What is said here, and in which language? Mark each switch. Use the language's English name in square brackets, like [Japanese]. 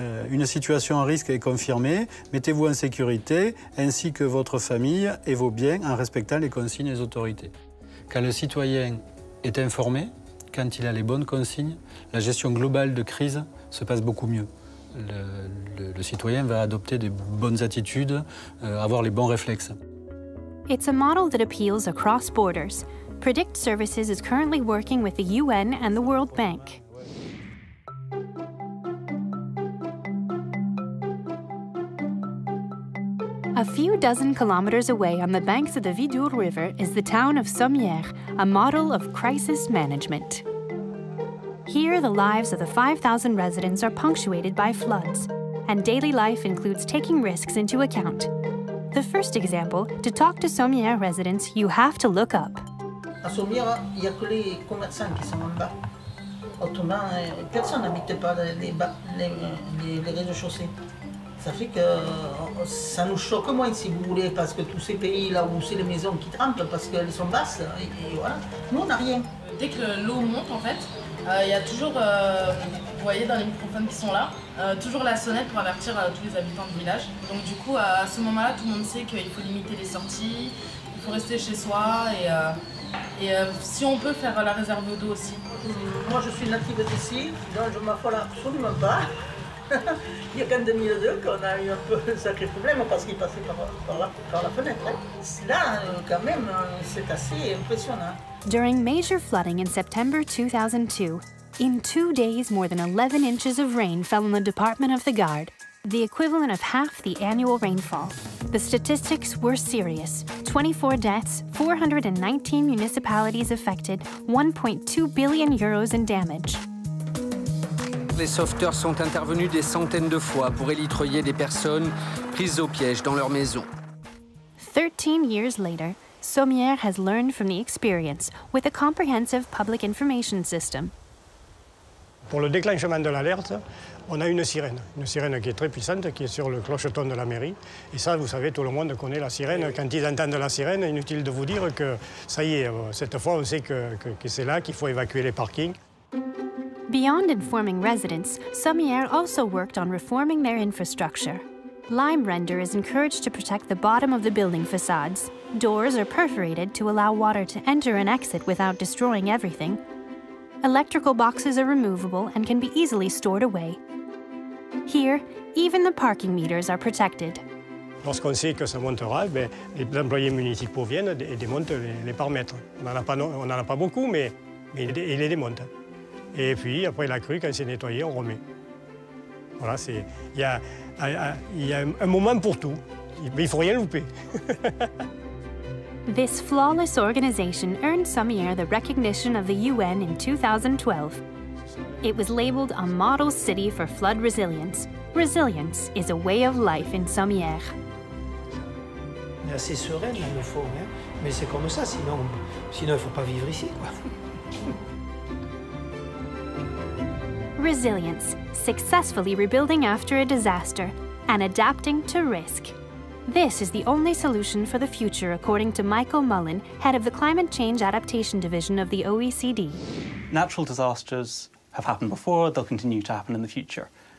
[French] Une situation à risque est confirmée, mettez-vous en sécurité, ainsi que votre famille et vos biens en respectant les consignes des autorités. Quand le citoyen est informé, quand il a les bonnes consignes, la gestion globale de crise se passe beaucoup mieux. Le citoyen va adopter des bonnes attitudes, avoir les bons réflexes. [English] It's a model that appeals across borders. Predict Services is currently working with the UN and the World Bank. A few dozen kilometers away on the banks of the Vidour River is the town of Sommières, a model of crisis management. Here, the lives of the 5,000 residents are punctuated by floods, and daily life includes taking risks into account. The first example, to talk to Sommières residents, you have to look up. [French] À Sommières, il y a que les commerçants qui sont en bas. Autrement, personne n'habite pas les rez-de-chaussée. Ça fait que ça nous choque moins, si vous voulez, parce que tous ces pays-là où c'est les maisons qui trempent parce qu'elles sont basses, et voilà, nous, on n'a rien. Dès que l'eau monte, en fait, y a toujours, vous voyez dans les microphones qui sont là, toujours la sonnette pour avertir tous les habitants du village. Donc du coup, à ce moment-là, tout le monde sait qu'il faut limiter les sorties, il faut rester chez soi, et si on peut faire la réserve d'eau aussi. Moi, je suis native d'ici, donc je ne m'affole absolument pas. Il n'y a qu'en 2002 qu'on a eu un peu un sacré problème parce qu'il passait par la fenêtre. Là, quand même, c'est assez impressionnant. [English] During major flooding in September 2002, in 2 days, more than 11 inches of rain fell on the Department of the Gard, the equivalent of half the annual rainfall. The statistics were serious. 24 deaths, 419 municipalities affected, 1.2 billion euros in damage. [French] Les sauveteurs sont intervenus des centaines de fois pour élitreuiller des personnes prises au piège dans leur maison. [English] 13 years later, Sommières has learned from the experience with a comprehensive public information system. [French] Pour le déclenchement de l'alerte, on a une sirène qui est très puissante, qui est sur le clocheton de la mairie. Et ça, vous savez, tout le monde connaît la sirène. Quand ils entendent la sirène, inutile de vous dire que ça y est, cette fois, on sait que c'est là qu'il faut évacuer les parkings. [English] Beyond informing residents, Sommières also worked on reforming their infrastructure. Lime render is encouraged to protect the bottom of the building facades. Doors are perforated to allow water to enter and exit without destroying everything. Electrical boxes are removable and can be easily stored away. Here, even the parking meters are protected. [French] Lorsqu'on sait que ça montera, les employés municipaux viennent et démontent les paramètres. On n'en a pas beaucoup, mais ils les démontent. Et puis après la crue, quand c'est nettoyé, on remet. Voilà, c'est il y a un moment pour tout. Mais il faut rien louper. [English] This flawless organization earned Sommières the recognition of the UN in 2012. It was labeled a model city for flood resilience. Resilience is a way of life in Sommières. [French] On est assez serein, il le faut, hein. Mais c'est comme ça, sinon il faut pas vivre ici, quoi. [English] Resilience, successfully rebuilding after a disaster and adapting to risk. This is the only solution for the future, according to Michael Mullen, head of the Climate Change Adaptation Division of the OECD. Natural disasters have happened before, they'll continue to happen in the future.